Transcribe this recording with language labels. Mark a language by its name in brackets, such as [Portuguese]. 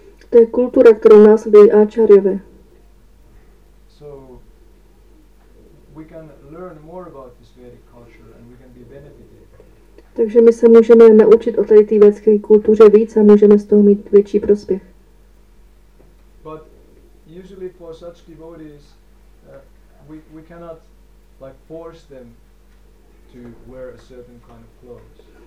[Czech] To je kultura, kterou následují áčárjové. [English] So we can learn more about this Vedic culture and we can be benefited. [Czech] Takže my se můžeme naučit o tady té vědecké kultuře víc a můžeme z toho mít větší prospěch. [English] But usually for such devotees we cannot like force them to wear a certain kind of clothes.